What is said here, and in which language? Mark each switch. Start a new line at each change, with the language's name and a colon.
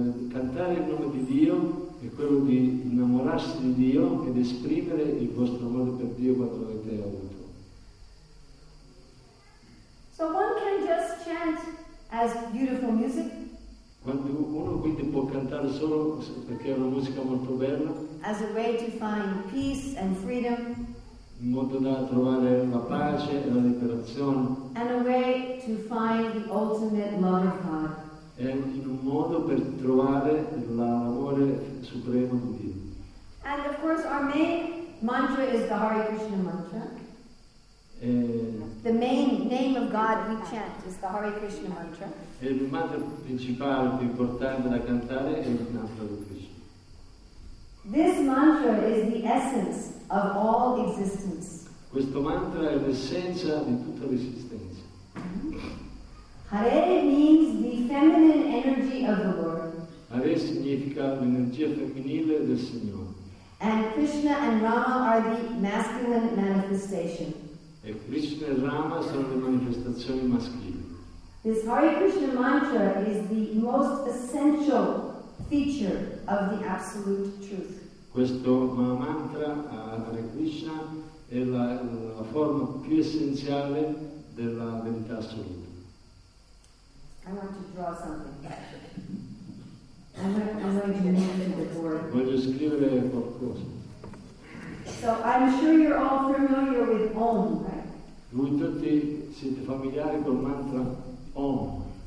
Italian: Cantare il nome di Dio è quello di innamorarsi di Dio ed esprimere il vostro amore per Dio quando l'avete avuto.
English: So one can just chant as beautiful music.
Italian: Quando uno quindi può cantare solo perché è una musica molto bella,
English: as a way to find peace and freedom,
Italian: in modo da trovare la pace e la liberazione,
English: and a way to find the ultimate love of God,
Italian: e in un modo per trovare l'amore supremo di Dio.
English: And of course our main mantra is the Hare Krishna mantra. The main name of God we chant is the Hare Krishna mantra.
Italian: Il mantra principale più importante da cantare è il mantra di Krishna.
English: This mantra is the essence of all existence.
Italian: Questo mantra è l'essenza di tutta l'esistenza.
English: Hare means the feminine energy of the Lord.
Italian: Hare significa l'energia femminile del Signore.
English: And Krishna and Rama are the masculine manifestation.
Italian: E Krishna e Rama sono le manifestazioni maschili.
English: This Hare Krishna mantra is the most essential feature of the absolute truth.
Italian: Questo mantra Hare Krishna è la forma più essenziale della verità assoluta.
English: I want to draw something. I'm going to
Italian: voglio scrivere qualcosa.
English: So I'm sure you're all familiar with Om, right?
Italian: Voi tutti siete familiari col mantra Om.